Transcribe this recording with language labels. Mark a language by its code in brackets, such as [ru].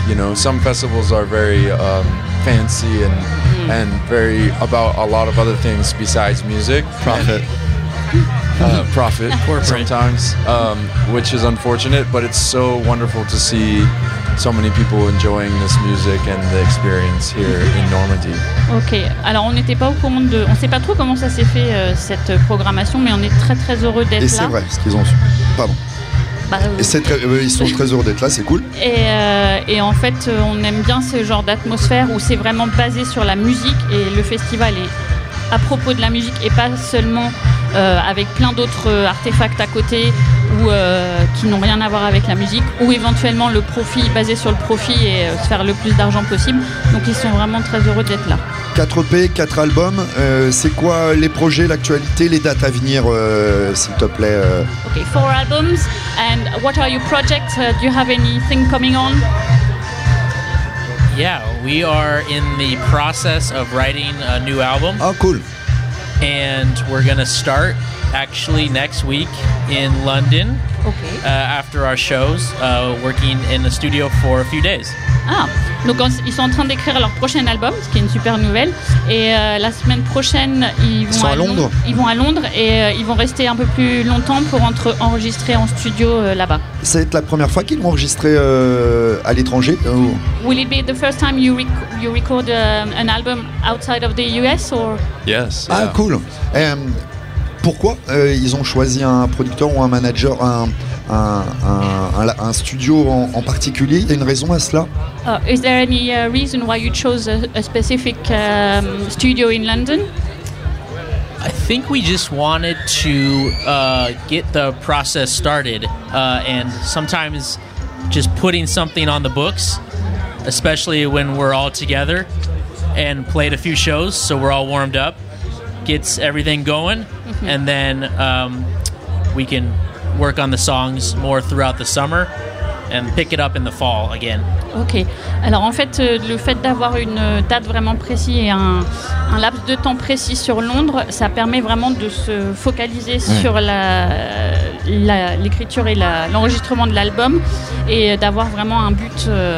[en] You know, some festivals are very fancy and very about a lot of other things besides music. Profit. Profit. Corporate. Sometimes, which is unfortunate, but it's so wonderful to see so many people enjoying this music and the experience here in Normandy. [fr] Okay, alors on n'était pas au courant de, on sait pas trop comment ça s'est fait cette programmation, mais on est très très heureux d'être là. Et c'est là. Vrai, ce qu'ils ont su. Pardon. Ils sont très heureux d'être là, c'est cool. Et en fait, on aime bien ce genre d'atmosphère où c'est vraiment basé sur la musique et le festival est à propos de la musique et pas seulement avec plein d'autres artefacts à côté ou qui n'ont rien à voir avec la musique ou éventuellement le profit, basé sur le profit et se faire le plus d'argent possible. Donc ils sont vraiment très heureux d'être là. 4 EP, 4 albums, c'est quoi les projets, l'actualité, les dates à venir, s'il te plaît? [en] Okay, 4 albums, and what are your projects? Do you have anything coming on? Yeah, we are in the process of writing a new album. Oh, cool. And we're going to start actually next week in London. Okay. After our shows, working in the studio for a few days. [fr] Ah, donc ils sont en train d'écrire leur prochain album, ce qui est une super nouvelle. Et la semaine prochaine, ils vont à Londres et ils vont rester un peu plus longtemps pour enregistrer en studio là-bas. C'est la première fois qu'ils vont enregistrer à l'étranger ou... [en] Will it be the first time you record an album outside of the US or? Yes. Yeah. Ah, cool. [fr] Pourquoi ils ont choisi un producteur ou un manager, un studio en particulier? Il y a une raison à cela? [en] Is there any reason why you chose a specific studio in London? I think we just wanted to get the process started and sometimes just putting something on the books, especially when we're all together and played a few shows, so we're all warmed up. Gets everything going, and then we can work on the songs more throughout the summer and pick it up in the fall again. Okay. [fr] Alors en fait, le fait d'avoir une date vraiment précise et un laps de temps précis sur Londres, ça permet vraiment de se focaliser sur l'écriture et l'enregistrement de l'album et d'avoir vraiment un but.